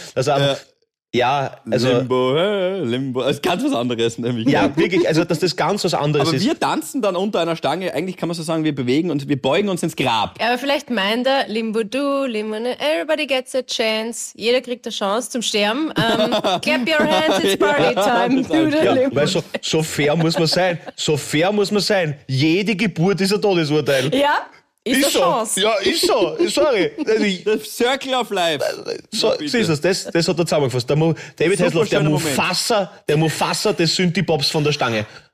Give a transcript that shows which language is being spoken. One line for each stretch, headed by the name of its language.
German: Dass er ja, also... Limbo, Limbo, das ist ganz was anderes nämlich. Ja, wirklich, also dass das ganz was anderes aber ist. Aber wir tanzen dann unter einer Stange, eigentlich kann man so sagen, wir bewegen und wir beugen uns ins Grab. Ja, aber vielleicht meint er, Limbo du, Limbo ne,
English: everybody gets a chance,
German: jeder kriegt eine Chance zum Sterben.
English: clap your hands, it's party time.
German: Ja, ja, weil so fair muss man sein, so fair muss man sein, jede Geburt ist ein Todesurteil. Ja, ist eine so. Chance. Ja, ist so. Sorry.
English: Circle of Life.
German: So, oh, siehst du, das hat er zusammengefasst. David Hasselhoff, der Mufasa des Synthie-Pops von der Stange.